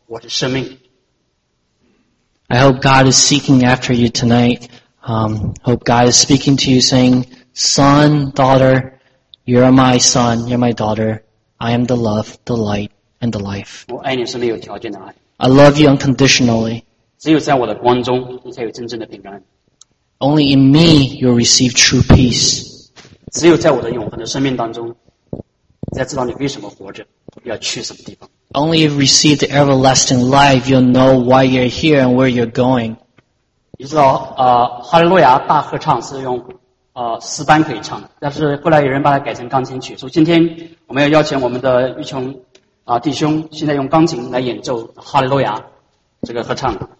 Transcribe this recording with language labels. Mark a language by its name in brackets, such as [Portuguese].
[Chinese] 如今耶稣基督在寻找我们，包括今天晚上圣灵在敲你的门，说孩子，我爱你，我是生命的光，我是生命。 [English] I hope God is seeking after you tonight. Hope God is speaking to you saying, son, daughter, you're my son, you're my daughter, I am the love, the light, and the life. [Chinese] 我爱你是没有条件的爱。 [English] I love you unconditionally. [Chinese] 只有在我的光中, 你才有真正的平安。 [English] Only in me you'll receive true peace. [Chinese] 只有在我的永恒的生命当中, 你才知道你为什么活着, 要去什么地方。 [English] Only if you receive the everlasting life, you'll know why you're here and where you're going. [Chinese] 你知道, Hallelujah大合唱是用, 斯班可以唱的, 但是后来有人把它改成钢琴曲, 所以今天我们要邀请我们的玉琼, 弟兄, 现在用钢琴来演奏《哈利路亚》这个合唱。